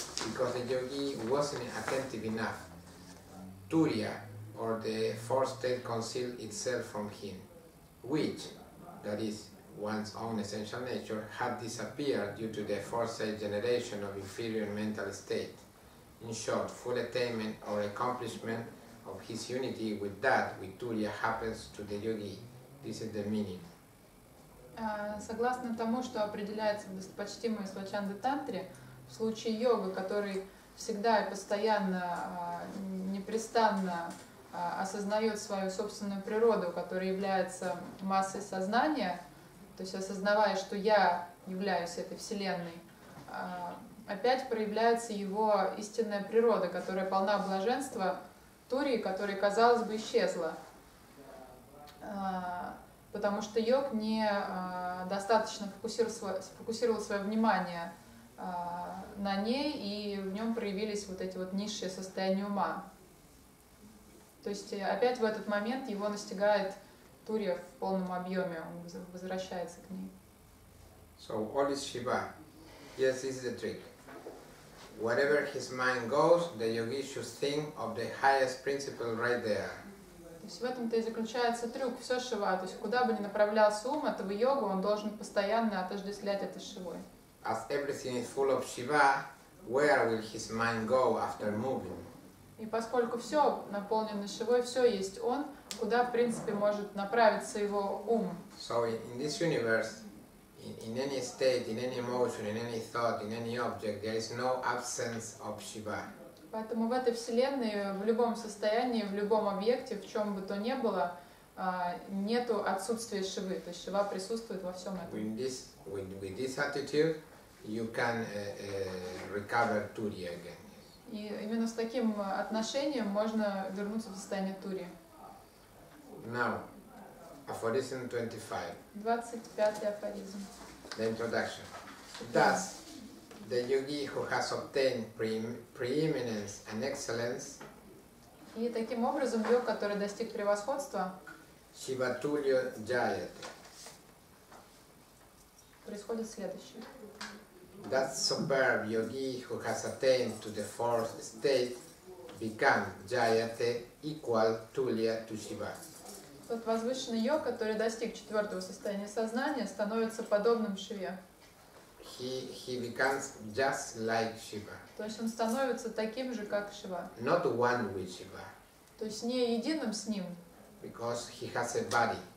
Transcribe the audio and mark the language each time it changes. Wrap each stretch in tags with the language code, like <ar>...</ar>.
<en>Because the yogi wasn't attentive enough, tulia or the fourth state concealed itself from him, which, that is, one's own essential nature, had disappeared due to the foresight generation of inferior mental state. In short, full attainment or accomplishment of his unity with that, with Tulya, happens to the yogi. This is the meaning.</en> <ru>Согласно тому, что определяется в достопочтимой Свачанда Тантре, в случае йога, который всегда и постоянно, непрестанно осознает свою собственную природу, которая является массой сознания, то есть осознавая, что я являюсь этой вселенной, опять проявляется его истинная природа, которая полна блаженства Турии, которая, казалось бы, исчезла. Потому что йог не достаточно фокусировал свое внимание на ней, и в нем проявились вот эти вот низшие состояния ума. То есть опять в этот момент его настигает Турия в полном объеме, он возвращается к ней.</ru> <en>So all is Shiva. Yes, this is the trick. Wherever his mind goes, the yogi should think of the highest principle right there.</en> <ru>То есть в этом-то и заключается трюк, все Шива. То есть куда бы ни направлялся ум этого йога, он должен постоянно отождествлять это Шивой.</ru> <en>As everything is full of Shiva, where will his mind go after moving?</en> <ru>И поскольку все наполнено Шивой, все есть он, куда, в принципе, может направиться его ум?</ru> <en>So in this universe, in any state, in any emotion, in any thought, in any object, there is no absence of Shiva.</en> <ru>Поэтому в этой вселенной, в любом состоянии, в любом объекте, в чем бы то ни было, нету отсутствия Шивы, то есть Шива присутствует во всем этом.</ru> <en>With this attitude, you can recover Turiya again.</en> <ru>И именно с таким отношением можно вернуться в состояние Тури.</ru> <en>Now, aphorism 25.</en> <ru>25-й афоризм.</ru> <en>The introduction. Thus, the yogi who has obtained preeminence and excellence.</en> <ru>И таким образом йог, который достиг превосходства.</ru> <sa>Shiva Tulya Jayate.</sa> <ru>Происходит следующее.</ru> <en>That superb yogi who has attained to the fourth state becomes Jayate equal Tulya to Shiva.</en> <ru>Тот возвышенный йог, который достиг четвертого состояния сознания, становится подобным Шиве.</ru> <en>He becomes just like Shiva.</en> <ru>То есть он становится таким же, как Шива.</ru> <en>Not one with Shiva.</en> <ru>То есть не единым с ним.</ru> <en>Because he has a body.</en>